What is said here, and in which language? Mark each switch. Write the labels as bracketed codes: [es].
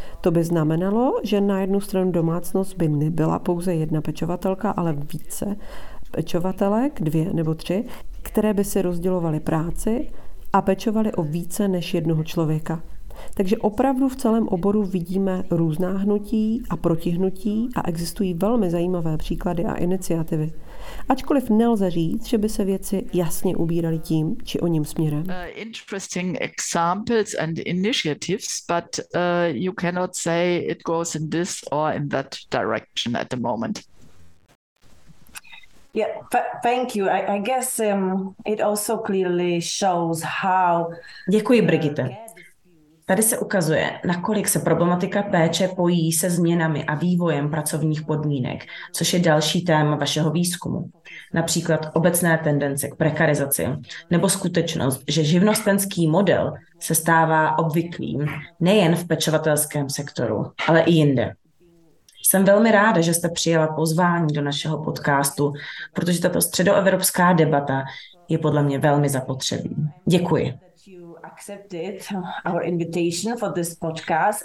[cs] To by znamenalo, že na jednu stranu domácnost by nebyla pouze jedna pečovatelka, ale více pečovatelek, dvě nebo tři, které by si rozdělovaly práci a pečovaly o více než jednoho člověka. Takže opravdu v celém oboru vidíme různá hnutí a protihnutí a existují velmi zajímavé příklady a iniciativy. Ačkoliv nelze říct, že by se věci jasně ubíraly tím či o ním směrem. [en] Interesting examples and initiatives, but you cannot say it goes in this or in that direction at the moment. Yeah, thank you. I guess it also clearly shows how. [cs] Děkuji, Brigitte. Tady se ukazuje, nakolik se problematika péče pojí se změnami a vývojem pracovních podmínek, což je další téma vašeho výzkumu. Například obecné tendence k prekarizaci nebo skutečnost, že živnostenský model se stává obvyklým nejen v pečovatelském sektoru, ale i jinde. Jsem velmi ráda, že jste přijala pozvání do našeho podcastu, protože tato středoevropská debata je podle mě velmi zapotřebí. Děkuji. [en] Accepted our invitation for this podcast.